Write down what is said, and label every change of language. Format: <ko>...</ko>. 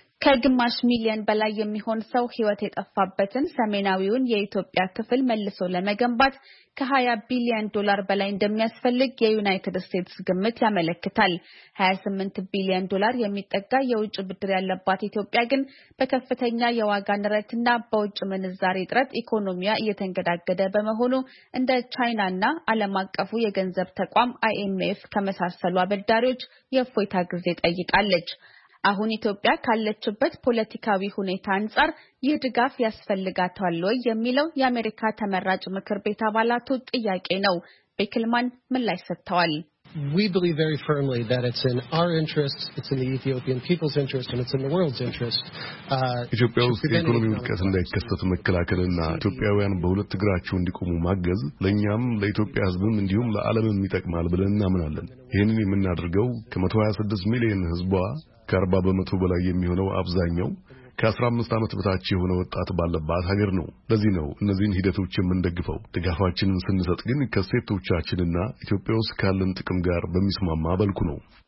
<am>ከግማሽ ሚሊዮን በላይ የሚሆን ሰው ህይወት የጠፋበትን ሰሜናዊውን የኢትዮጵያ ክፍል መልሶ ለመገንባት ከ20 ቢሊዮን ዶላር በላይ እንደሚያስፈልግ የዩናይትድ ስቴትስ ግምት ያመለክታል። 28 ቢሊዮን ዶላር የሚጠጋ የውጭ ብድር ያለባት ኢትዮጵያ ግን በከፍተኛ የዋጋ ንረትና በውጭ ምንዛሬ እጥረት ኢኮኖሚዋ እየተንገዳገደ በመሆኑ እንደ ቻይናና ዓለም አቀፉ የገንዘብ ተቋም IMF ከመሳሰሉ አበዳሪዎች የእፎይታ ጊዜ ጠይቃለች። አሁን ኢትዮጵያ ካለችበት ፖለቲካዊ ሁኔታ አንጻር የድጋፍ ያስፈልጋታል ወይ የሚለው የአሜሪካ ተመራጭ ምክር ቤት አባላቱ ጥያቄ ነው። ቤክልማን ምላሽ ሰጥተዋል።</am> <en>We believe very firmly that it's in our interest, it's in the Ethiopian people's interest, and it's in the world's interest.</en> <am>ኢትዮጵያውስ የኢኮኖሚው ከሰ እንዳይከሰት መከላከልና ኢትዮጵያውያን በሁለት እግራቸው እንዲቆሙ ማገዝ ለኛም ለኢትዮጵያ ህዝብም እንዲሁም ለዓለምም ይጠቅማል ብለን እናምናለን። ይሄንን የምናደርገው ከ126 ሚሊዮን ህዝቧ ከ40 በመቶ በላይ የሚሆነው አብዛኛው ከ15 ዓመት በታች የሆነ ወጣት ባለባት ሀገር ነው። ለዚህ ነው እነዚህን ሂደቶች የምንደግፈው። ድጋፋችንን ስንሰጥ ግን ከሴቶቻችንና ኢትዮጵያ ውስጥ ካለን ጥቅም ጋር በሚስማማ መልኩ ነው።</am>